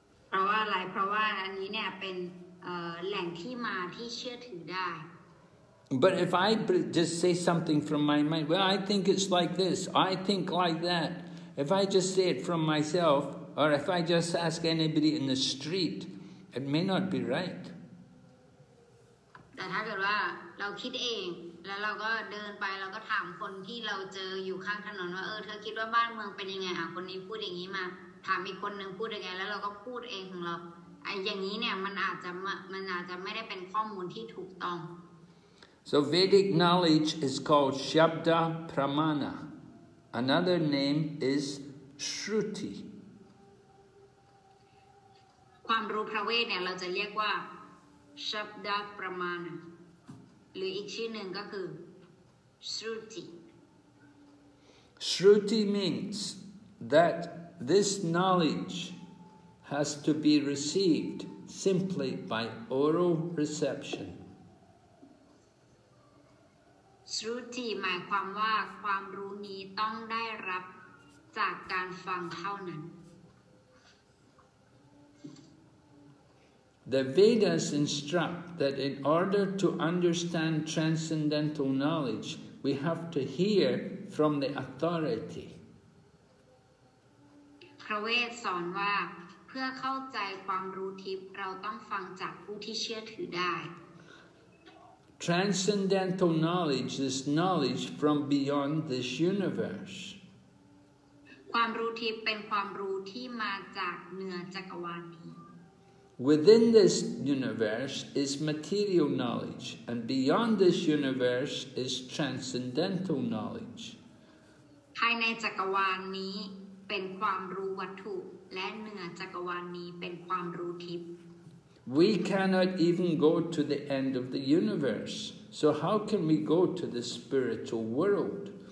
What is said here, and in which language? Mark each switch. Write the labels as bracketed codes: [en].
[th] เพราะว่าอะไรเพราะว่าอันนี้เนี่ยเป็นแหล่งที่มาที่เชื่อถือได้ [en] But if I just say something from my mind, well, I think it's like this. I think like that. If I just say it from myself. Or if I just ask anybody in the street, it may not be right. But if we think ourselves, and we go and ask people who we meet on the street, "What do you think about the city? How is it? Who is saying this? Ask another person who says it, and we say it ourselves." This may not be correct information. So Vedic knowledge is called Shabda Pramana. Another name is Shruti. [th] ความรู้พระเวทเนี่ยเราจะเรียกว่าชับดาประมาณหรืออีกชื่อหนึ่งก็คือสรุติ [en] สรุติ means that this knowledge has to be received simply by oral reception [th] สรุติหมายความว่าความรู้นี้ต้องได้รับจากการฟังเท่านั้น [en] The Vedas instruct that in order to understand transcendental knowledge, we have to hear from the authority. [th] พระเวทสอนว่าเพื่อเข้าใจความรู้ทิพย์เราต้องฟังจากผู้ที่เชื่อถือได้ [en] Transcendental knowledge is knowledge from beyond this universe. [th] ความรู้ทิพย์เป็นความรู้ที่มาจากเหนือจักรวาลนี้ [en] Within this universe is material knowledge, and beyond this universe is transcendental knowledge. [th] ภายในจักรวาลนี้เป็นความรู้วัตถุและเหนือจักรวาลนี้เป็นความรู้ทิพย์ [en] We cannot even go to the end of the universe, so how can we go to the spiritual world?